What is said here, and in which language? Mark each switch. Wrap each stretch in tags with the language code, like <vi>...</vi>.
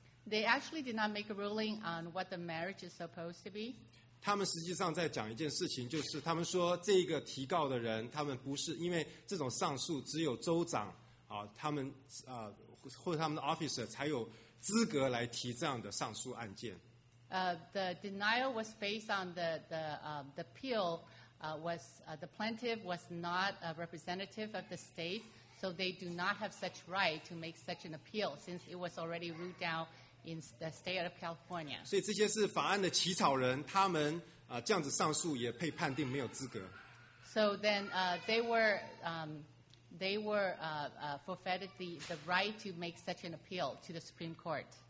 <en>They actually did not make a ruling on what the marriage is supposed to be.</en> <zh>他们实际上在讲一件事情，就是他们说这个提告的人，他们不是因为这种上诉只有州长，他们或者他们的 officer 才有资格来提这样的上诉案件。</zh> <en>The denial was based on the appeal was the plaintiff was not a representative of the state, so they do not have such right to make such an appeal since it was already ruled down in the state of California.</en> <zh>所以这些是法案的起草人，他们这样子上诉也被判定没有资格。</zh> <en>So then they were forfeited the right to make such an appeal to the Supreme Court.</en>